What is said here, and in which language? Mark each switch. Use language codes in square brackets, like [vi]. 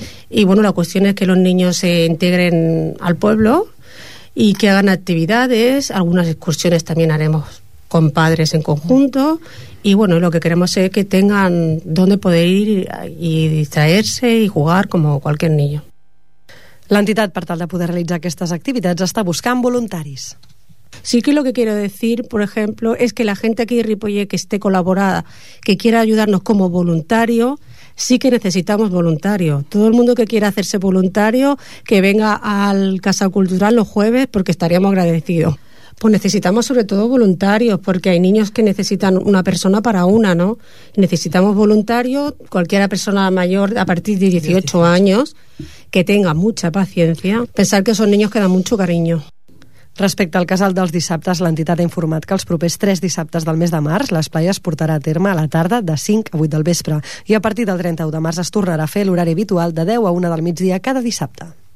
[es] Y bueno, la cuestión es que los niños se integren al pueblo y que hagan actividades, algunas excursiones también haremos con padres en conjunto y bueno, lo que queremos es que tengan donde poder ir y distraerse y jugar como cualquier niño. [ca] L'entitat, per tal de poder realitzar aquestes activitats, està buscant voluntaris. [es] Sí que lo que quiero decir, por ejemplo, es que la gente aquí de Ripollet que esté colaborada, que quiera ayudarnos como voluntario, sí que necesitamos voluntario. Todo el mundo que quiera hacerse voluntario, que venga al Casa Cultural los jueves, porque estaríamos agradecidos. Pues necesitamos sobre todo voluntarios, porque hay niños que necesitan una persona para una, ¿no? Necesitamos voluntarios, cualquier persona mayor a partir de 18 años, que tenga mucha paciencia. Pensar que esos niños quedan mucho cariño. [ca] Respecte al casal dels dissabtes, l'entitat ha informat que els propers 3 dissabtes del mes de març l'esplai es portarà a terme a la tarda de 5 a 8 del vespre i a partir del 31 de març es tornarà a fer l'horari habitual de 10 a 1 del migdia cada dissabte.